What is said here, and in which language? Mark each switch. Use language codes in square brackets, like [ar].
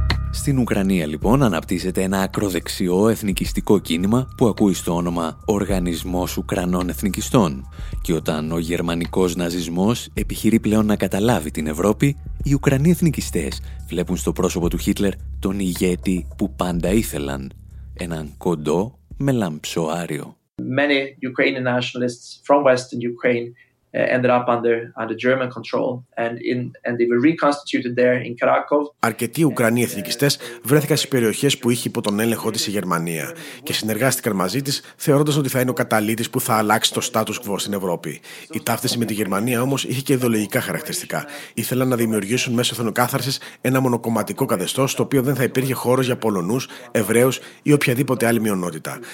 [el] Στην Ουκρανία, λοιπόν, αναπτύσσεται ένα ακροδεξιό εθνικιστικό κίνημα που ακούει στο όνομα Οργανισμός Ουκρανών Εθνικιστών. Και όταν ο γερμανικός ναζισμός επιχειρεί πλέον να καταλάβει την Ευρώπη, οι Ουκρανοί εθνικιστές βλέπουν στο πρόσωπο του Χίτλερ τον ηγέτη που πάντα ήθελαν. Έναν κοντό με λαμψό άριο. [en] Many Ukrainian nationalists from Western Ukraine ended up under German control and they were reconstituted there in Krakow. [el] Αρκετοί Ουκρανοί εθνικιστές βρέθηκαν στις περιοχές που είχε υπό τον έλεγχο της η Γερμανία και συνεργάστηκαν μαζί της, θεωρώντας ότι θα είναι ο καταλύτης που θα αλλάξει το status quo στην Ευρώπη. Η ταύτιση με τη Γερμανία όμως είχε και ιδεολογικά χαρακτηριστικά. Ήθελαν να δημιουργήσουν μέσω εθνοκάθαρσης ένα μονοκομματικό καθεστώς, στο οποίο δεν θα υπήρχε χώρος για Πολωνούς, Εβραίους ή οποιαδήποτε άλλη μειονότητα.